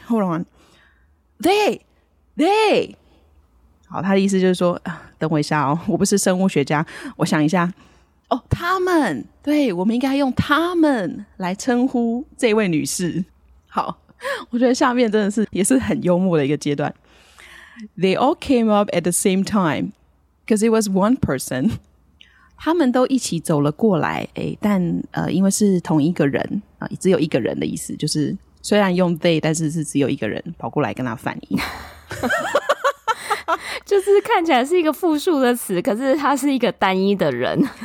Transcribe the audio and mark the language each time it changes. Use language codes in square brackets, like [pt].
[en] Hold on, they. [zh] 好，他的意思就是说，等我一下哦，我不是生物学家，我想一下。哦，他们，对，我们应该用他们来称呼这位女士。好，我觉得下面真的是也是很幽默的一个阶段。 [en] They all came up at the same time. Because it was one person. [zh] 他们都一起走了过来，但因为是同一个人只有一个人的意思，就是虽然用 they， 但是是只有一个人跑过来跟他反应。就是看起来是一个复数的词，可是他是一个单一的人。